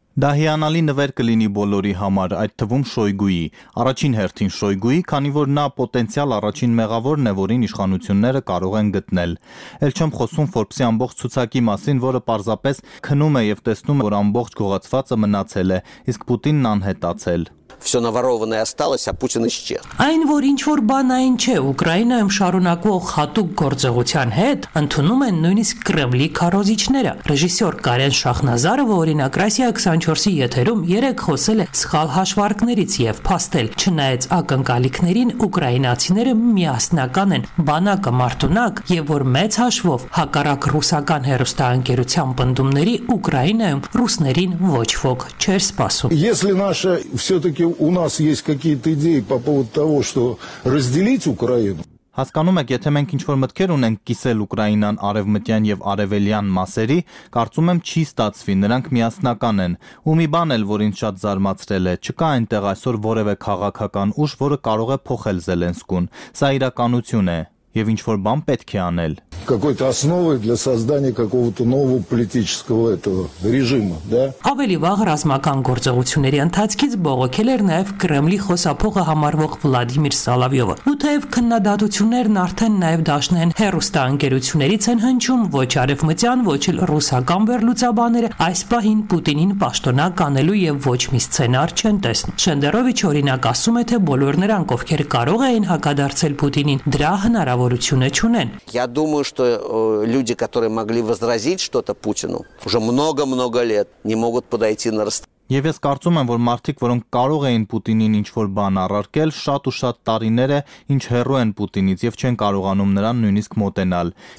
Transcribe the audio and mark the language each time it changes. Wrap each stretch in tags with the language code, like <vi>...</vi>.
<hy>Դա հիանալի նվեր կլինի բոլորի համար, այդ թվում Շոյգուի, առաջին հերթին Շոյգուի, քանի որ նա պոտենցիալ առաջին մեղավորն է, որին իշխանությունները կարող են գտնել։ Էլ չեմ խոսում Ֆորբսի ամբողջ ցուցակի մասին, որը պարզապես քնում է և տեսնում է, որ ամբողջ գողացվածը մնացել է, իսկ Պուտինն անհետացել։</hy> <ru>Всё наворованное осталось, а Путин исчез.</ru> <hy>Այն որ ինչ որ բան այն չէ, Ուկրաինայում շարունակվող հատուկ գործողության հետ ընդունում են նույնիսկ Կրեմլի քարոզիչները։ Ռեժիսոր Կարեն Շախնազարը, օրինակ, Ռասիա 24-ի եթերում երեք խոսել է սխալ հաշվարկներից և փաստել, չնայած ակնկալիքներին, ուկրաինացիները միասնական են, բանակը մարդունակ, և որ մեծ հաշվով հակառակ ռուսական հերոստահանգերության պնդումների Ուկրաինայում ռուսներին ոչ ոք չեր սպասում։</hy> <ru>Если наша всё-таки у нас есть какие-то идеи по поводу того, что разделить Украину.</ru> <hy>Հասկանում եք, եթե մենք ինչ-որ մտքեր ունենք կիսել Ուկրաինան արևմտյան և արևելյան մասերի, կարծում եմ չի ստացվի, նրանք միասնական են։ Ու մի բան էլ, որ ինձ շատ զարմացրել է, չկա այնտեղ այսօր որևէ քաղաքական ուժ, որը կարող է փոխել Զելենսկուն։ Սա իրականություն է, և ինչ-որ բան պետք է անել։</hy> <ru>Какой-то основой для создания какого-то нового политического этого режима, да?</ru> <hy>Ավելի վաղ ռազմական գործողությունների ընթացքից բողոքել էր նաև Կրեմլի խոսափողը համարվող Վլադիմիր Սալավյովը։ Ու թեև քննադատություններն արդեն նաև դաշնային հերոստահանգերություններից են հնչում, ոչ արևմտյան, ոչ էլ ռուսական վերլուծաբանները այս պահին Պուտինին պաշտոնակ անելու և ոչ մի սցենար չեն տեսնում։ Շենդերովիչ օրինակ ասում է, թե բոլոր նրանք, ովքեր կարող էին հակադարձել Պուտինին, դրա հնարավորությունը չունեն։</hy> <ru>Что люди, которые могли возразить что-то Путину, уже много-много лет не могут подойти на расстояние.</ru> <hy>Եվ ես կարծում եմ, որ մարդիկ, որոնք կարող էին Պուտինին ինչ-որ բան առարկել, շատ ու շատ տարիներ է, ինչ հեռու են Պուտինից և չեն կարողանում նրան նույնիսկ մոտենալ։</hy>